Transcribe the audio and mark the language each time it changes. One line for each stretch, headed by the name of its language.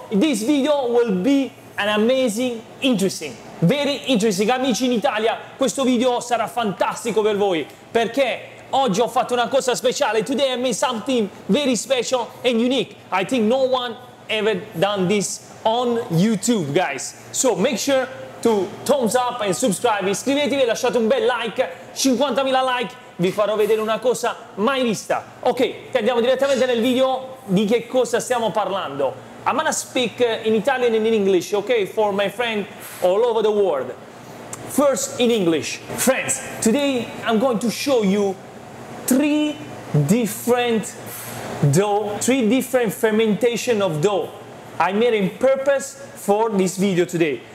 English: This video will be an amazing, interesting, very interesting.
Italian: Amici in Italia, questo video sarà fantastico per voi, perché oggi ho fatto una cosa speciale.
English: Today I made something very special and unique. I think no one ever done this on YouTube, guys. So make sure to thumbs up and subscribe.
Italian: Iscrivetevi, lasciate un bel like, 50.000 like. Vi farò vedere una cosa mai vista. Ok, andiamo direttamente nel video di che cosa stiamo parlando.
English: I'm gonna speak in Italian and in English, ok, for my friend all over the world. First in English. Friends, today I'm going to show you three different fermentation of dough I made in purpose for this video today.